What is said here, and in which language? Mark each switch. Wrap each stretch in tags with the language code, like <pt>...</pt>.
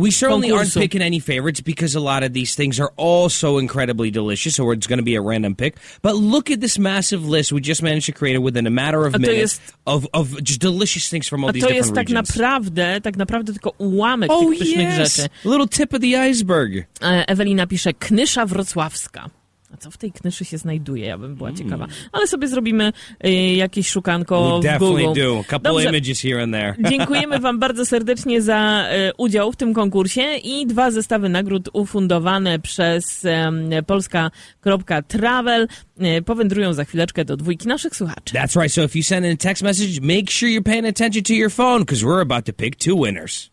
<en>We certainly aren't picking any favorites because a lot of these things are all so incredibly delicious, so it's going to be a random pick. But look at this massive list we just managed to create within a matter of minutes of just delicious things from all these different regions.</en> <pl>A to jest tak naprawdę tylko ułamek tych pysznych rzeczy.</pl> <en>Oh, yes. Little tip of the iceberg.</en> <pl>Ewelina pisze, knysza wrocławska. A co w tej knyszy się znajduje? Ja bym była ciekawa. Ale sobie zrobimy jakieś szukanko</pl> <en>we</en> <pl>w Google.</pl> <en>Definitely do. Couple images here and there.</en> <pl>Dziękujemy wam bardzo serdecznie za udział w tym konkursie i dwa zestawy nagród ufundowane przez polska.travel. Powędrują za chwileczkę do dwójki naszych słuchaczy.</pl> <en>That's right. So if you send in a text message, make sure you're paying attention to your phone, because we're about to pick two winners.</en>